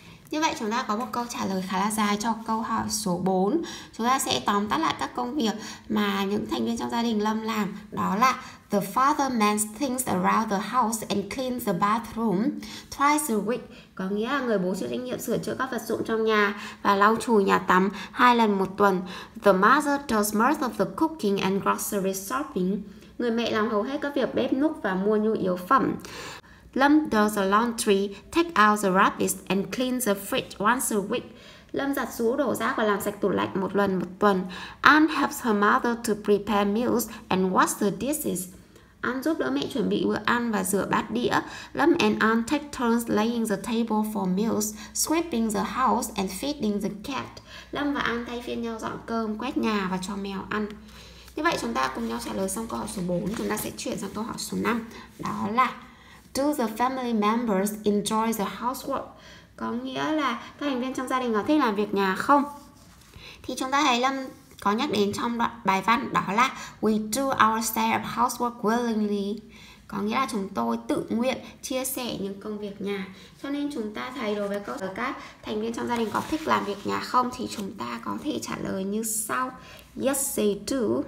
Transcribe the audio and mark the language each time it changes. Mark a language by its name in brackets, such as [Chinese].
[Vietnamese] Như vậy chúng ta có một câu trả lời khá là dài cho câu hỏi số 4. Chúng ta sẽ tóm tắt lại các công việc mà những thành viên trong gia đình Lâm làm. Đó là [English] the father mends things around the house and cleans the bathroom twice a week. [Vietnamese] Có nghĩa là người bố chịu trách nhiệm sửa chữa các vật dụng trong nhà và lau chùi nhà tắm 2 lần một tuần. [English] The mother does most of the cooking and grocery shopping. [Vietnamese] Người mẹ làm hầu hết các việc bếp núc và mua nhu yếu phẩm. [English] Lâm does the laundry, take out the rubbish and clean the fridge once a week. [Vietnamese] Lâm giặt giũ đổ rác và làm sạch tủ lạnh một lần một tuần. [English] Ann helps her mother to prepare meals and wash the dishes. [Vietnamese] Ann giúp đỡ mẹ chuẩn bị bữa ăn và rửa bát đĩa. [English] Lâm and Ann take turns laying the table for meals, sweeping the house and feeding the cat. [Vietnamese] Lâm và Ann thay phiên nhau dọn cơm, quét nhà và cho mèo ăn. Như vậy chúng ta cùng nhau trả lời xong câu hỏi số 4, chúng ta sẽ chuyển sang câu hỏi số 5. Đó là [English] do the family members enjoy the housework? [Vietnamese] Có nghĩa là các thành viên trong gia đình có thích làm việc nhà không? Thì chúng ta thấy Lâm có nhắc đến trong đoạn bài văn đó là [English] we do our share of housework willingly. [Vietnamese] Có nghĩa là chúng tôi tự nguyện chia sẻ những công việc nhà. Cho nên chúng ta thấy đối với các thành viên trong gia đình có thích làm việc nhà không thì chúng ta có thể trả lời như sau. [English] Yes, they do.